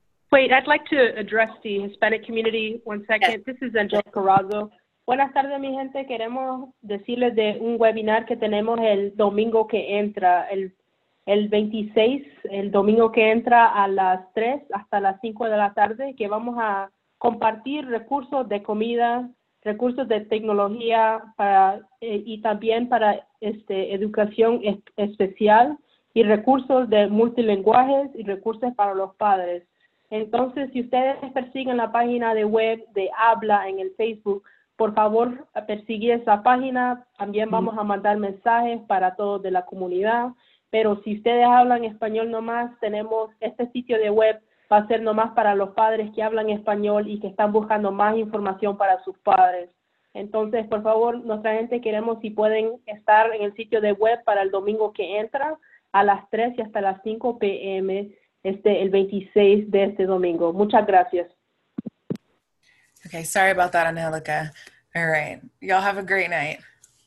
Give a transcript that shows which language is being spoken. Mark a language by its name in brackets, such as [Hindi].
[English] Wait, I'd like to address the Hispanic community one second. Yes. This is Angelica Carrazo. [Spanish] Buenas tardes, mi gente. Queremos decirles de un webinar que tenemos el domingo que entra, el 26, el domingo que entra a las 3 hasta las 5 de la tarde, que vamos a compartir recursos de comida, recursos de tecnología para y también para educación especial y recursos de multilinguajes y recursos para los padres. Entonces, si ustedes persiguen la página de web de Habla en el Facebook, por favor, persigue esa página. También vamos a mandar mensajes para todos de la comunidad. Pero si ustedes hablan español nomás, tenemos este sitio de web, va a ser nomás para los padres que hablan español y que están buscando más información para sus padres. Entonces, por favor, nuestra gente queremos si pueden estar en el sitio de web para el domingo que entra a las 3 y hasta las 5 p.m., el 26 de este domingo. Muchas gracias. [English] Okay, sorry about that, Angelica. All right. Y'all have a great night.